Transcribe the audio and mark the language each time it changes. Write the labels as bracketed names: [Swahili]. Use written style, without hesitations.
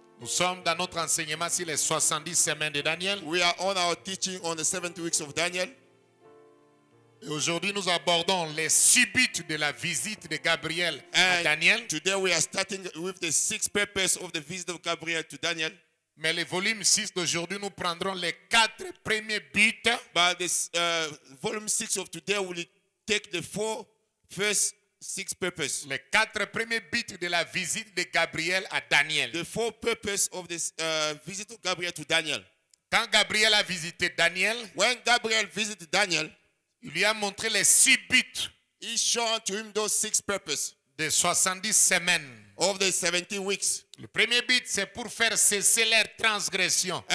[French] Nous sommes dans notre enseignement sur les 70 semaines de Daniel. [English] We are on our teaching on the 70 weeks of Daniel. [French] Et aujourd'hui nous abordons les subites de la visite de Gabriel [English] and [French] à Daniel. [English] Today we are starting with the six purpose of the visit of Gabriel to Daniel. [French] Mais le volume 6 d'aujourd'hui nous prendrons les quatre premiers buts. [English] But this volume 6 of today will take the four first six purposes. [French] Les quatre premiers buts de la visite de Gabriel à Daniel. [English] The four purpose of this visit of Gabriel to Daniel. [French] Quand Gabriel a visité Daniel, [English] when Gabriel visited Daniel, [French] il lui a montré les six buts. [English] He showed to him those six purposes. [French] De 70 semaines. [English] Of the 70 weeks. [French] Le premier but c'est pour faire cesser leur transgression.